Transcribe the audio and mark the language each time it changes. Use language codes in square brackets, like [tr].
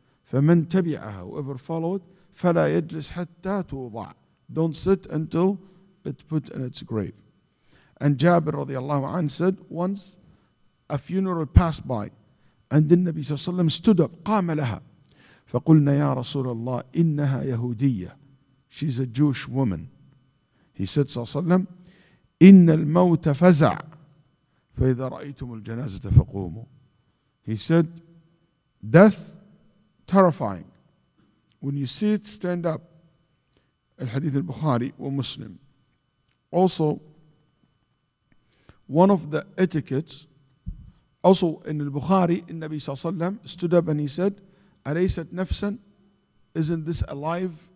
[ar] Faman tabi'aha, [en] whoever followed, [ar] fala yajlis hatta tuwda', [en] don't sit until it put in its grave. And Jabir radiyallahu an said, once a funeral passed by, and the Nabi sallallahu alayhi wa sallam stood up, qama laha, [ar] فقلنا يا رسول الله إنها يهودية. [en] She's a Jewish woman. He said, [ar] صلى الله عليه وسلم, إن الموت فزع فإذا رأيتم الجنازة فقوموا. [en] He said, death terrifying. When you see it, stand up. [ar] الحديث البخاري ومسلم. [en] Also, one of the etiquettes, also in البخاري, النبي صلى الله عليه وسلم stood up and he said, [ar] أليست نفسا? [en] Isn't this alive?